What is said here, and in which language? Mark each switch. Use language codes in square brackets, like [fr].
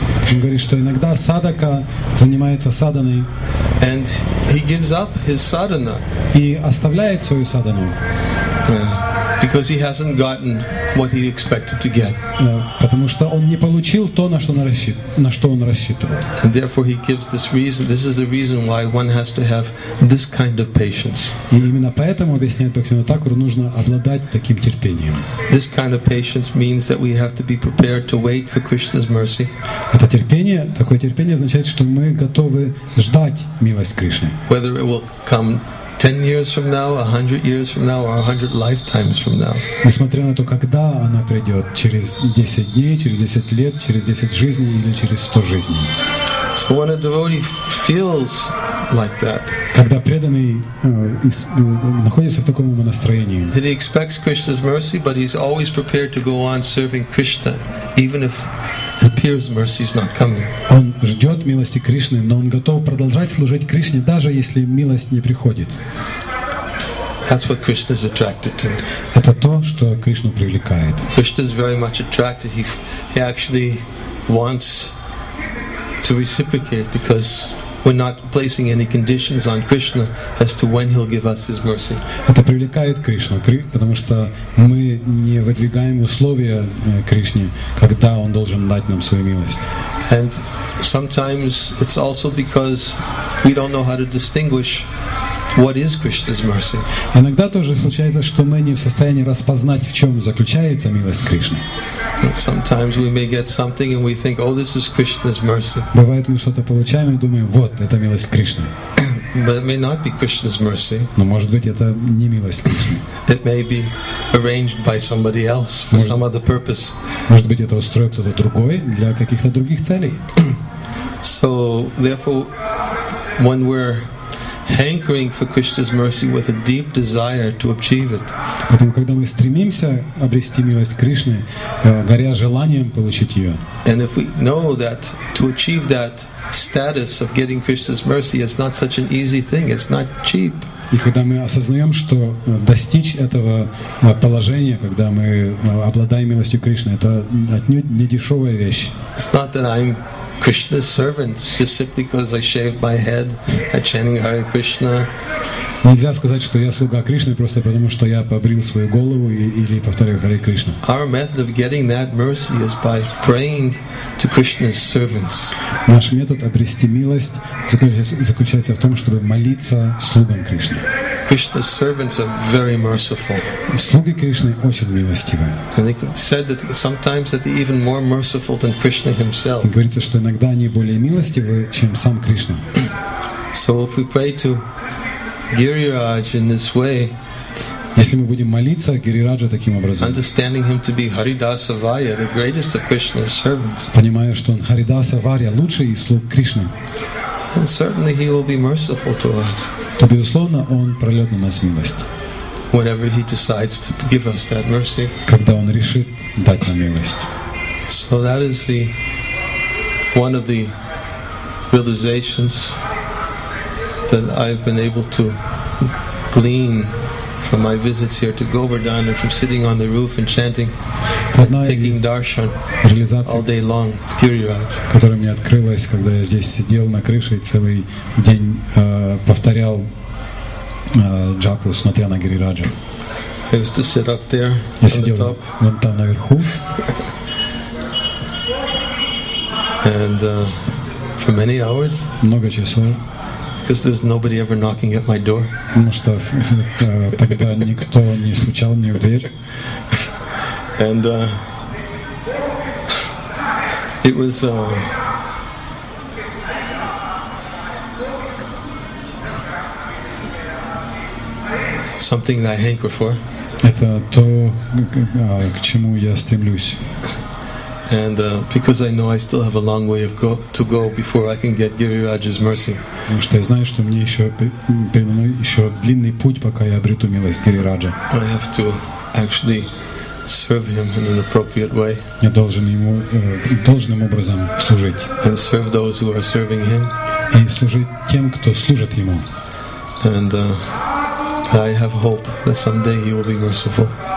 [ru] Он говорит, что иногда садака занимается саданой. [en] And he gives up his sadhana. [ru] И оставляет свою садану. [en] Because he hasn't gotten what he expected to get. [ru] Потому что он не получил то, на что он рассчитывал. [en] And therefore he gives this reason. This is the reason why one has to have this kind of patience. [ru] И именно поэтому объясняет Бхактивинода Такур, нужно обладать таким терпением. [en] This kind of patience means that we have to be prepared to wait for Krishna's mercy. [ru] Это терпение, такое терпение означает, что мы готовы ждать милость Кришны. [en] Whether it will come 10 years from now, 100 years from now, or 100 lifetimes from now. [ru] Несмотря на то, когда она придет, через 10 дней, через 10 лет, через 10 жизней или через 100 жизней. [en] So when a devotee feels like that. [ru] Когда преданный находится в таком настроении. [en] That he expects Krishna's mercy, but he's always prepared to go on serving Krishna, even if it appears mercy is not coming. [ru] Он ждет милости Кришны, но он готов продолжать служить Кришне, даже если милость не приходит. [en] That's what Krishna is attracted to. [ru] Это то, что Кришну привлекает. [en] Krishna is very much attracted. He actually wants to reciprocate because we're not placing any conditions on Krishna as to when he'll give us his mercy. [ru] Это привлекает Кришну, потому что мы не выдвигаем условия Кришне, когда он должен дать нам свою милость. [en] And sometimes it's also because we don't know how to distinguish what is Krishna's mercy. [ru] Иногда тоже случается, что мы не в состоянии распознать, в чем заключается милость Кришны. [en] Sometimes we may get something and we think, oh, this is Krishna's mercy. [ru] Бывает, мы что-то получаем и думаем, вот, это милость Кришны. [en] But it may not be Krishna's mercy. [ru] Но может быть, это не милость Кришны. [en] It may be arranged by somebody else for some other purpose. [ru] Может быть, это устроил кто-то другой для каких-то других целей. [en] So, therefore, when we're hankering for Krishna's mercy with a deep desire to achieve it. [ru] Поэтому, когда мы стремимся обрести милость Кришны, горя желанием получить ее. [en] And if we know that to achieve that status of getting Krishna's mercy is not such an easy thing, it's not cheap. [ru] И когда мы осознаем, что достичь этого положения, когда мы обладаем милостью Кришны, это отнюдь не дешевая вещь. [en] It's not that I'm Krishna's servant, just simply because I shaved my head at chanting Hare Krishna. [ru] Нельзя сказать, что я слуга Кришны просто потому, что я побрил свою голову или повторяю Харе Кришна. [en] Our method of getting that mercy is by praying to Krishna's servants. [ru] Наш метод обрести милость заключается в том, чтобы молиться слугам Кришны. [en] Krishna's servants are very merciful. [ru] Слуги Кришны очень милостивы. [en] And it said that sometimes that they're even more merciful than Krishna himself. [ru] Говорится, что иногда они более милостивы, чем сам Кришна. [en] So if we pray to Гирираджа in this way, [ru] если мы будем молиться Гирираджа таким образом, [en] understanding him to be Haridasa Varya, the greatest of Krishna's servants, [ru] понимая, что он Харидаса Варья, лучший из слуг Кришны, [en] and certainly he will be merciful to us. [ru] То, безусловно, он прольет на нас милость. [en] Whenever he decides to give us that mercy. [ru] Когда он решит дать нам милость. [en] So that is the one of the realizations that I've been able to glean from my visits here to Govardhan and from sitting on the roof and chanting, taking darshan all day long of Giriraj. [ru] Которая мне открылась, когда я здесь сидел на крыше и целый день повторял джапу, смотря на Гирираджа. [en] I used to sit up there on the top. [ru] Вон там наверху. [en] And for many hours. [ru] Много часов. [en] Because there's nobody ever knocking at my door. [ru] Ну что, тогда никто не стучал мне в дверь. [en] And it was something that I hanker for. [ru] Это то, к чему я стремлюсь. [en] And because I know I still have a long way of go, to go before I can get Giriraj's mercy. [ru] Потому что я знаю, что мне еще длинный путь, пока я обрету милость Гирираджа. [en] I have to actually serve him in an appropriate way. [ru] Я должен ему должным образом служить. [en] And serve those who are serving him. [ru] И служить тем, кто служит ему. [en] And I have hope that someday he will be merciful.